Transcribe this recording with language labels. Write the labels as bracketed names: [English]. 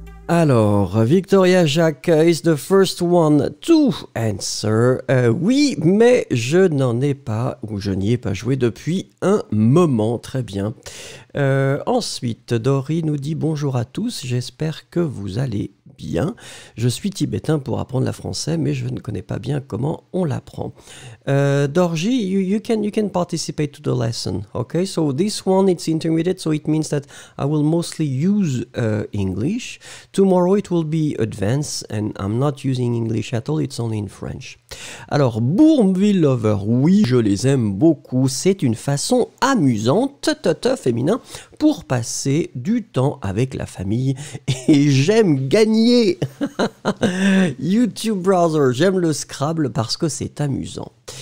[English] Alors, Victoria Jacques is the first one to answer. [French] Oui, mais je n'en ai pas, ou je n'y ai pas joué depuis un moment. Très bien. Ensuite, Dory nous dit bonjour à tous. J'espère que vous allez bien. Je suis tibétain pour apprendre le français, mais je ne connais pas bien comment on l'apprend. [English] Dorji, you can participate to the lesson. Okay, so this one it's intermediate, so it means that I will mostly use English. Tomorrow it will be advanced, and I'm not using English at all. It's only in French. [French] Alors, Bourneville Lover, oui, je les aime beaucoup. C'est une façon amusante, féminin, pour passer du temps avec la famille. Et j'aime gagner. YouTube Browser, j'aime le Scrabble parce que c'est amusant.